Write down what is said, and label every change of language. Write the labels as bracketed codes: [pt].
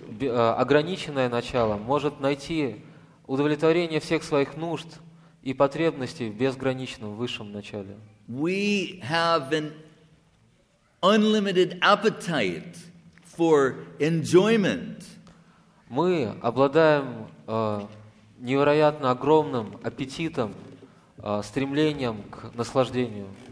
[ru] Ограниченное начало может найти удовлетворение всех своих нужд и потребностей в безграничном высшем начале. [en] We have an unlimited appetite for enjoyment. [ru] Мы обладаем невероятно огромным аппетитом, стремлением к наслаждению.